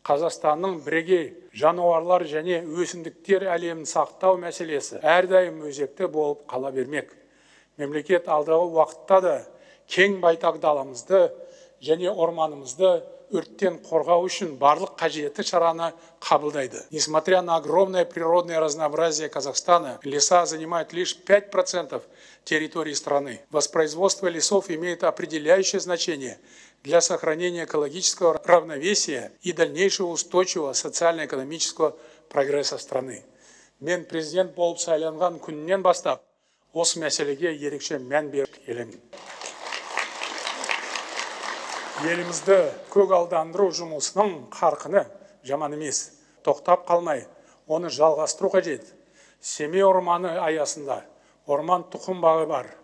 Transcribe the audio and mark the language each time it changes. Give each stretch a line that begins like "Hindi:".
Kazakh: Қазақстанның бірегей жануарлар және өсімдіктер әлемін сақтау мәселесі әрдайым өзекті болып қала бермек. Мемлекет алдағы уақытта да кең байтақ даламызды және орманымызды өрттен қорғау үшін барлық қажетті шараны қабылдайды.
Russian: Несмотря на огромное природное разнообразие Казахстана, леса занимают лишь 5% территории страны. Воспроизводство лесов имеет определяющее значение для сохранения экологического равновесия и дальнейшего устойчивого социально-экономического прогресса страны.
Kazakh: Мен президент болып сайланған күннен бастап осы мәселеге ерекше мән беріп келемін. Елімізді көгалдандыру жұмысының қарқыны жаман емес. Тоқтап қалмай, оны жалғастыру қажет. Семей орманы аясында орман тұқым бағы бар.